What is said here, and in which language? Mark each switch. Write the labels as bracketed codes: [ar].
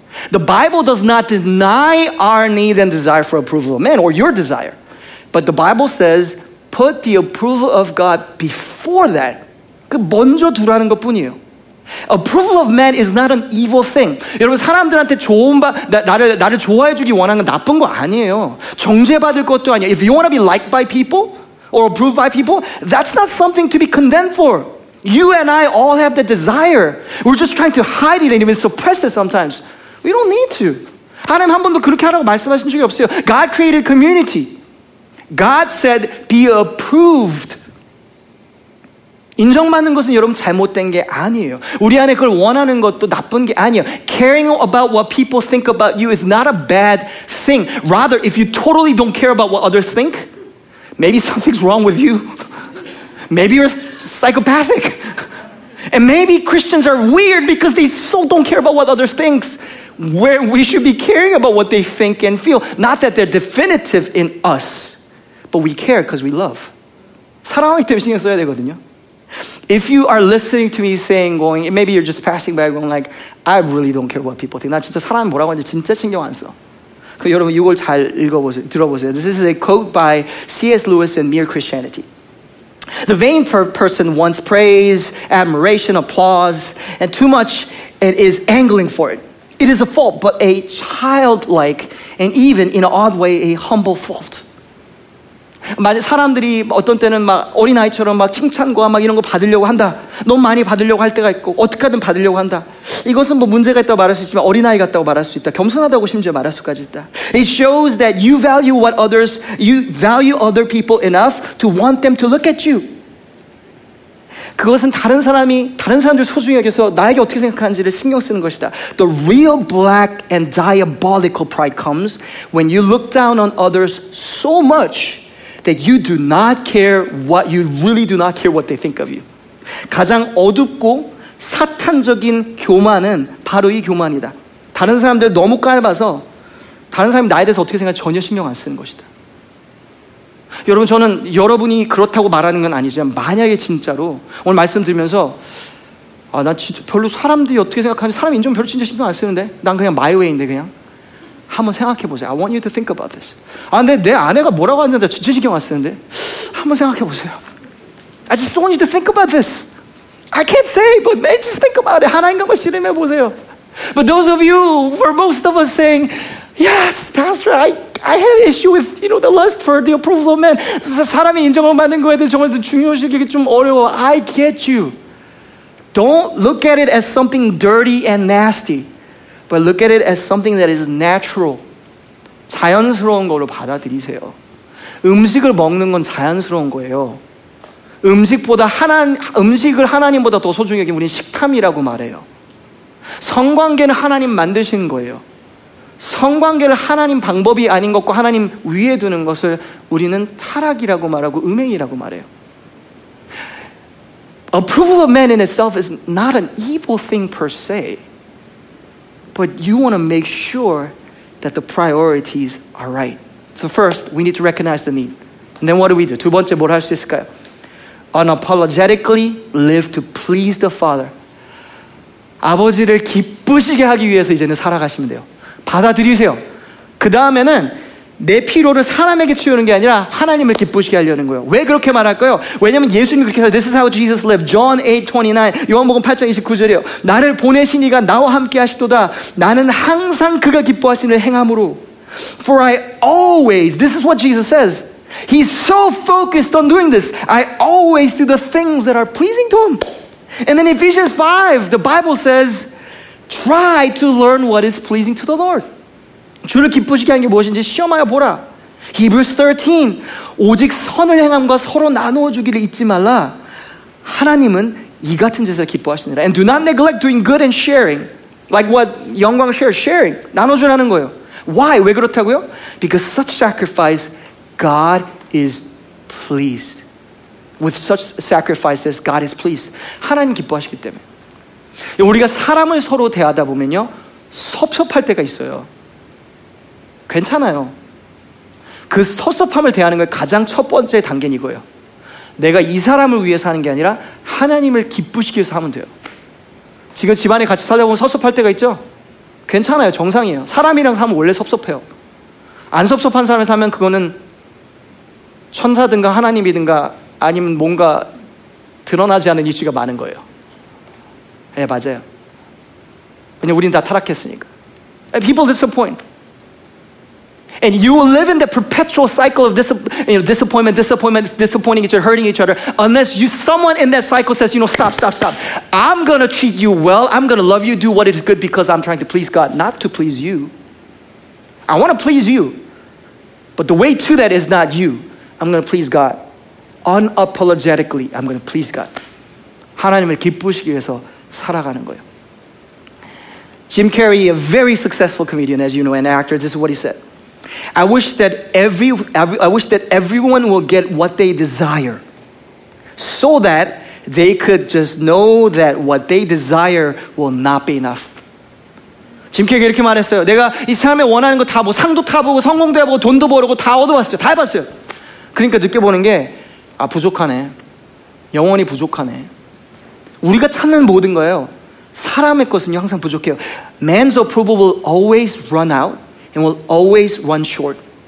[en] The Bible does not deny our need and desire for approval of men or your desire. But the Bible says put the approval of God before that. [ko] 그 먼저 두라는 것뿐이에요. [en] Approval of men is not an evil thing. [ko] 여러분 사람들한테 나를 좋아해 주기 원하는 건 나쁜 거 아니에요. 정죄받을 것도 아니에요. [en] If you want to be liked by people, or approved by people, that's not something to be condemned for. You and I all have the desire. We're just trying to hide it and even suppress it sometimes. We don't need to. [ko] 하나님 한 번도 그렇게 하라고 말씀하신 적이 없어요. [en] God created community. God said, be approved. [ko] 인정받는 것은 여러분 잘못된 게 아니에요. 우리 안에 그걸 원하는 것도 나쁜 게 아니에요. [en] Caring about what people think about you is not a bad thing. Rather, if you totally don't care about what others think, maybe something's wrong with you. Maybe you're psychopathic. And maybe Christians are weird because they so don't care about what others think. Where we should be caring about what they think and feel. Not that they're definitive in us, but we care because we love. [ko] 사랑하기 때문에 신경 써야 되거든요. [en] If you are listening to me saying, going, maybe you're just passing by going like, I really don't care what people think. [ko] 나 진짜 사람 뭐라고 하는지 진짜 신경 안 써. 그 여러분 이걸 잘 들어보세요. [en] This is a quote by C.S. Lewis in Mere Christianity. The vain person wants praise, admiration, applause, and too much and is angling for it. It is a fault, but a childlike and even in an odd way a humble fault. [ko] 만약 사람들이 어떤 때는 막 어린아이처럼 막 칭찬과 막 이런 거 받으려고 한다. 너무 많이 받으려고 할 때가 있고 어떻게든 받으려고 한다. 이것은 뭐 문제가 있다고 말할 수 있지만 어린아이 같다고 말할 수 있다. 겸손하다고 심지어 말할 수까지 있다. [en] It shows that you value what others, you value other people enough to want them to look at you. [ko] 그것은 다른 사람들 소중하게 해서 나에게 어떻게 생각하는지를 신경 쓰는 것이다. [en] The real black and diabolical pride comes when you look down on others so much that you do not care what you really do not care what they think of you. [ko] 가장 어둡고 사탄적인 교만은 바로 이 교만이다. 다른 사람들 너무 깔봐서 다른 사람이 나에 대해서 어떻게 생각해 전혀 신경 안 쓰는 것이다. 여러분 저는 여러분이 그렇다고 말하는 건 아니지만 만약에 진짜로 오늘 말씀드리면서 아, 나 진짜 별로 사람들이 어떻게 생각하는지 사람 인정 별로 진짜 신경 안 쓰는데 난 그냥 [en] my way [ko] 인데 그냥 한번 생각해보세요. [en] I want you to think about this. [ko] 아, 내 아내가 뭐라고 하는지 진짜 신경 안 쓰는데 한번 생각해보세요. [en] I just want you to think about this. I can't say, but man, just think about it. [ko] 하나님 한번 씨름해보세요. [en] But those of you, for most of us saying, yes, pastor, I have issue with, you know, the lust for the approval of men. [ko] 사람이 인정을 받는 거에 대해 정말 중요시 이게 좀 어려워. [en] I get you. Don't look at it as something dirty and nasty. But look at it as something that is natural. [ko] 자연스러운 걸로 받아들이세요. 음식을 먹는 건 자연스러운 거예요. 음식보다 음식을 하나님보다 더 소중히 여기는 우리는 식탐이라고 말해요. 성관계는 하나님 만드신 거예요. 성관계를 하나님 방법이 아닌 것과 하나님 위에 두는 것을 우리는 타락이라고 말하고 음행이라고 말해요. [en] Approval of man in itself is not an evil thing per se. But you want to make sure that the priorities are right. So first, we need to recognize the need. And then what do we do? [ko] 두 번째, 뭘 할 수 있을까요? [en] Unapologetically live to please the Father. [ko] 아버지를 기쁘시게 하기 위해서 이제는 살아가시면 돼요. 받아들이세요. 그 다음에는 내 피로를 사람에게 치우는 게 아니라 하나님을 기쁘시게 하려는 거예요. 왜 그렇게 말할까요? 왜냐하면 예수님이 그렇게 해서 [en] This is how Jesus lived. [ko] John 8:29, 요한복음 8장 29절이에요. 나를 보내신 이가 나와 함께 하시도다. 나는 항상 그가 기뻐하시는 행함으로. [en] For I always, this is what Jesus says. He's so focused on doing this. I always do the things that are pleasing to him. And then Ephesians 5, the Bible says, try to learn what is pleasing to the Lord. [ko] 주를 기쁘시게 하는 게 무엇인지 시험하여 보라. Hebrews 13, 오직 선을 행함과 서로 나누어 주기를 잊지 말라. 하나님은 이 같은 짓을 기뻐하시느라. [en] And do not neglect doing good and sharing. Like what 영광 shares, sharing. [ko] 나눠주라는 거예요. [en] Why? [ko] 왜 그렇다고요? [en] Because such sacrifice, God is pleased. With such sacrifices, God is pleased. [ko] 하나님 기뻐하시기 때문에. 우리가 사람을 서로 대하다 보면요. 섭섭할 때가 있어요. 괜찮아요. 그 섭섭함을 대하는 것 가장 첫 번째 단계는 이거예요. 내가 이 사람을 위해서 하는 게 아니라 하나님을 기쁘시기 위해서 하면 돼요. 지금 집안에 같이 살다 보면 섭섭할 때가 있죠? 괜찮아요. 정상이에요. 사람이랑 사면 원래 섭섭해요. 안 섭섭한 사람을 사면 그거는 천사든가 하나님이든가 아니면 뭔가 드러나지 않은 이슈가 많은 거예요. 예, 네, 맞아요. 왜냐면 우리는 다 타락했으니까. [en] People disappoint. And you will live in that perpetual cycle of disappointment, disappointment, disappointing each other, hurting each other. Unless someone in that cycle says, you know, stop, stop, stop. I'm going to treat you well. I'm going to love you. Do what is good because I'm trying to please God, not to please you. I want to please you. But the way to that is not you. I'm going to please God. Unapologetically, I'm going to please God. [ko] 하나님을 기쁘시기 위해서 살아가는 거예요. [en] Jim Carrey, a very successful comedian, as you know, and actor, this is what he said. I wish that everyone will get what they desire so that they could just know that what they desire will not be enough. [ko] Jim Carrey 이렇게 말했어요. 내가 이 삶에 원하는 거 다 뭐 상도 타보고 성공도 해보고 돈도 벌고 다 얻어봤어요. 다 해봤어요. 그러니까 느껴보는 게 아 부족하네. 영원히 부족하네. 우리가 찾는 모든 거예요. 사람의 것은 항상 부족해요. [en] Man's approval will always run out. And will always run short.